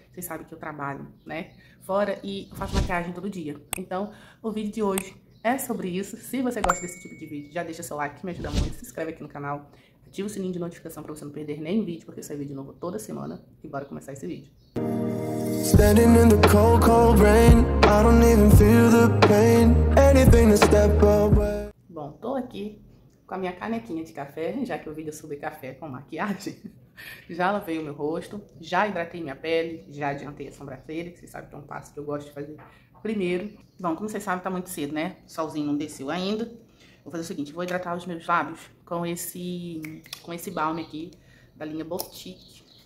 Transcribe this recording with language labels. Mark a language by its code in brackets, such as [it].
[pt] Vocês sabem que eu trabalho, né? Fora e faço maquiagem todo dia. Então, o vídeo de hoje é sobre isso. Se você gosta desse tipo de vídeo, já deixa seu like que me ajuda muito. Se inscreve aqui no canal, ativa o sininho de notificação pra você não perder nenhum vídeo, porque sai vídeo novo toda semana. E bora começar esse vídeo. [en] Standing in the cold, cold rain, I don't even feel the pain. Anything to step away. [pt] Bom, tô aqui com a minha canequinha de café, já que o vídeo é sobre café com maquiagem. Já lavei o meu rosto, já hidratei minha pele, já adiantei a sobrancelha, que vocês sabem que é um passo que eu gosto de fazer primeiro. Bom, como vocês sabem, tá muito cedo, né? O solzinho não desceu ainda. Vou fazer o seguinte: vou hidratar os meus lábios com esse balm aqui da linha Boutique.